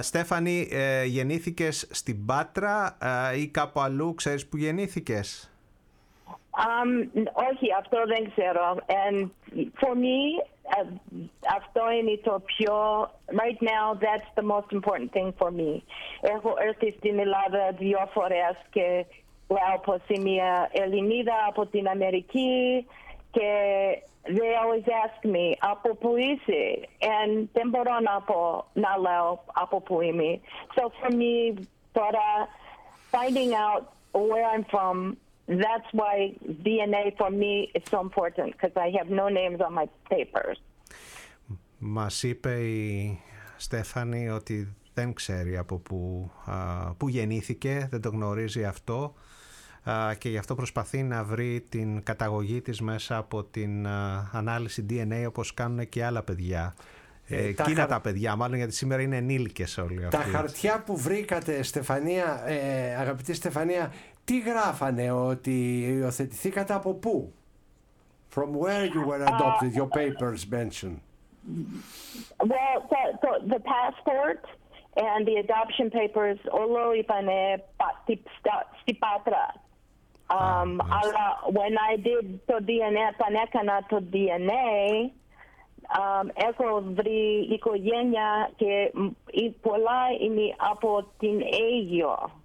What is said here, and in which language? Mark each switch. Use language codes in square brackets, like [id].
[el] Στέφανη, γεννήθηκες στην Πάτρα ή κάπου αλλού, ξέρεις που γεννήθηκες? Όχι, αυτό δεν ξέρω. [en] And for me, [el] αυτό είναι το πιο... [en] Right now, that's the most important thing for me. [el] Έχω έρθει στην Ελλάδα δύο φορές και λέω πως είμαι Ελληνίδα από την Αμερική και... [en] They always ask me, [el] από πού είσαι? [en] And [el] δεν μπορώ να λέω από πού είμαι. [en] So for me, [el] τώρα, [en] finding out where I'm from, that's why DNA for me is so important, because I have no names on my papers. [el] Μας είπε η Στέφανη ότι δεν ξέρει από πού γεννήθηκε, δεν το γνωρίζει αυτό. Και γι' αυτό προσπαθεί να βρει την καταγωγή της μέσα από την ανάλυση DNA, όπως κάνουν και άλλα παιδιά. Εκείνα τα παιδιά, μάλλον, γιατί σήμερα είναι ενήλικες όλοι αυτοί. Τα χαρτιά που βρήκατε, Στεφανία, αγαπητή Στεφανία, τι γράφανε ότι υιοθετηθήκατε από πού? [en] From where you were adopted, your papers mentioned. Well, the passport and the adoption papers, [el] όλο είπανε στη Πάτρα. Αλλά [en] when I did [el] το DNA, όταν έκανα το DNA, έχω βρει οικογένεια και πολλά είναι από την Αίγιο.